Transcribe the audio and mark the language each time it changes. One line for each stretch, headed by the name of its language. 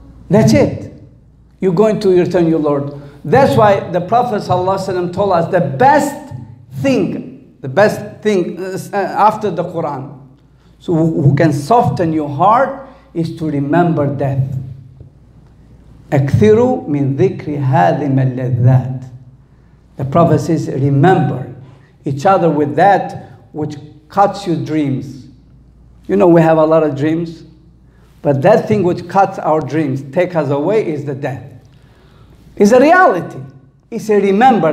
English: That's it. You're going to return your Lord. That's why the Prophet ﷺ told us the best thing after the Quran, so who can soften your heart, is to remember death.
Arabic: أكثروا من ذكر هذه اللذات.
English: The Prophet says, remember each other with that which cuts your dreams. You know, we have a lot of dreams, but that thing which cuts our dreams, take us away, is the death. It's a reality. It's a remember.